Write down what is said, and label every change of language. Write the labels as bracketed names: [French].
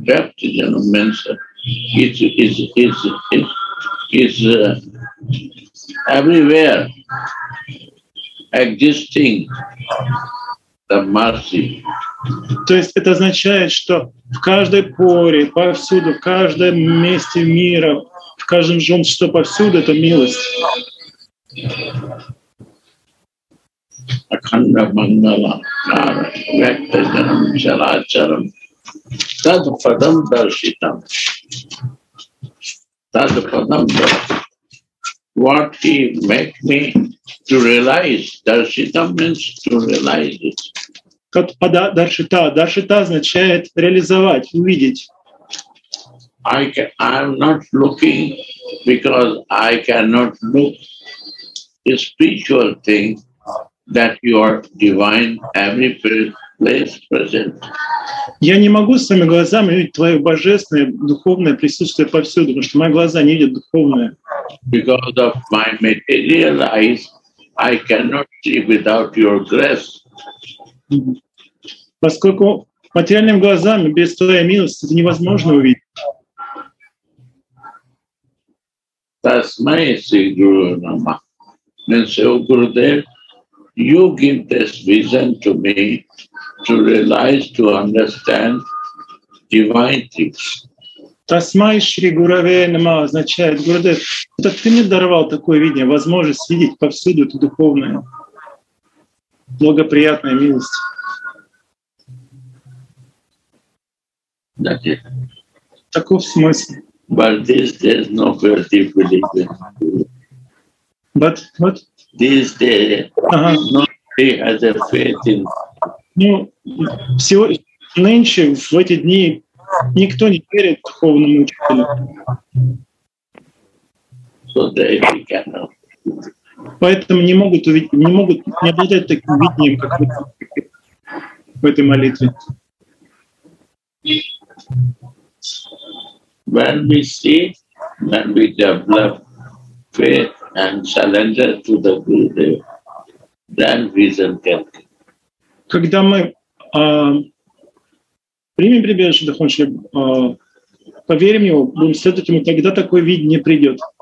[English] Vyaptajana means it is everywhere existing the mercy. [Russian] То есть это означает, что в каждой поре, повсюду, в каждом месте мира, в каждом жон, что повсюду это милость. [Sanskrit] Akhanda Mangala Kara Vyaktajanam Characharam Tad Padam Darshitam Tad Padam Darshitam. [English] What he make me to realize, darshita means to realize it. [Russian] Как даршита, даршита означает реализовать, увидеть. [English] I am not looking because I cannot look a spiritual thing that your divine every place present. [Russian] Я не могу своими глазами видеть твое божественное духовное присутствие повсюду, потому что мои глаза не видят духовное. [English] Because of my material eyes, I cannot see without your grace. [Russian] Поскольку материальным глазами без твоей милости это невозможно увидеть. [English] That's my Guru Nama. Then say, oh Gurudev, you give this vision to me to realize, to understand divine things. [Sanskrit] Тасмай Шри Гураве Нама [Russian] означает, Гурудев, это ты мне даровал такое видение, возможность видеть повсюду эту духовную, благоприятную милость. Таков смысл. [English] But these days no very deep religion. But what? These days nobody has a faith in. [Russian] Ну, сегодня, нынче, в эти дни, никто не верит духовному учителю. Поэтому не могут увидеть, не могут не обладать таким видением, как вы в этой молитве. [English] When we see, when we develop faith and surrender to the Guru, then vision can come. [Russian] Когда мы примем прибежище Дахунши, поверим ему, будем следовать ему, тогда такое видение придет.